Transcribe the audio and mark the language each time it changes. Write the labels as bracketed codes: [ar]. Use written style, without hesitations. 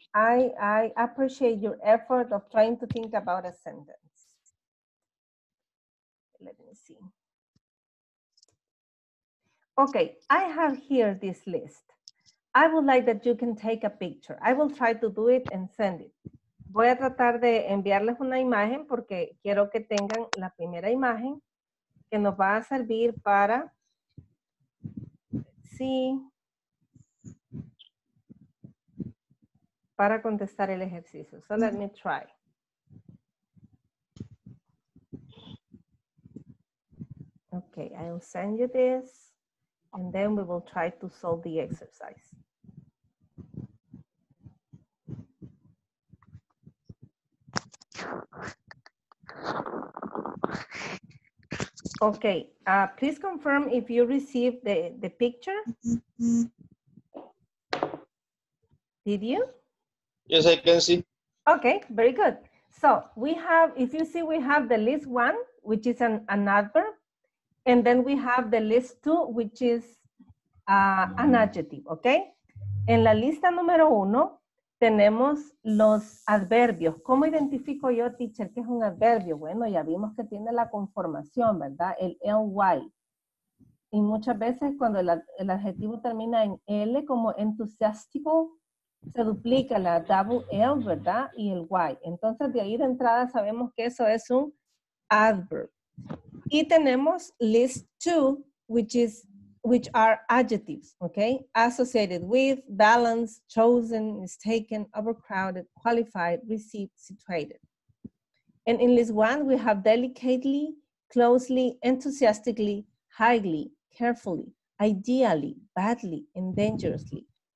[en] I appreciate your effort of trying to think about a sentence. Let me see. Okay, I have here this list. I would like that you can take a picture. I will try to do it and send it. [es] Voy a tratar de enviarles una imagen porque quiero que tengan la primera imagen que nos va a servir para, sí, para contestar el ejercicio. [en] So let me try. Okay, I will send you this and then we will try to solve the exercise. Okay, please confirm if you received the picture. Did you? Yes, I can see. Okay, very good. So we have, if you see, we have the list one, which is an adverb, and then we have the list two, which is an adjective, okay? [es] En la lista número uno, tenemos los adverbios. ¿Cómo identifico yo, teacher, qué es un adverbio? Bueno, ya vimos que tiene la conformación, ¿verdad? El ly. Y muchas veces cuando el adjetivo termina en L, como entusiástico, se duplica la double L, ¿verdad? Y el y. Entonces, de ahí de entrada sabemos que eso es un adverb. Y tenemos [en] list two, which are adjectives, okay? Associated with, balanced, chosen, mistaken, overcrowded, qualified, received, situated. And in list one, we have delicately, closely, enthusiastically, highly, carefully, ideally, badly, and dangerously.